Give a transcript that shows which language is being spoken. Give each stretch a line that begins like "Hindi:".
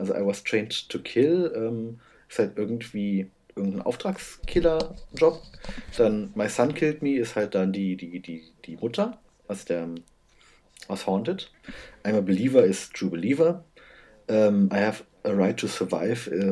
English: Also, I was trained to kill.
German: Ist halt irgendwie irgendein Auftragskiller-Job. Dann,
English: my son killed me,
German: ist halt dann die Mutter aus Haunted.
English: I'm a believer
German: ist
English: true believer. I have a right to survive.